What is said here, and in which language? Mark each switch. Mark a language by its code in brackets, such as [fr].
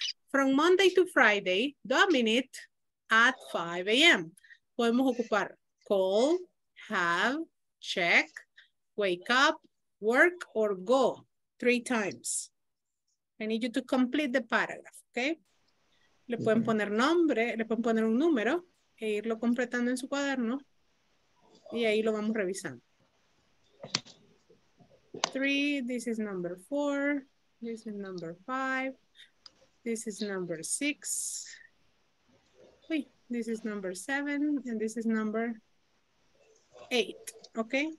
[en] From Monday to Friday, Dominic at 5 a.m. [es] Podemos ocupar [en] call, have, check, wake up, work, or go [es] 3 times. [en] I need you to complete the paragraph, okay? [es] Le pueden poner nombre, le pueden poner un número e irlo completando en su cuaderno. Y ahí lo vamos revisando. [en] 3, this is number 4, this is number 5, this is number 6, this is number 7, and this is number 8, okay?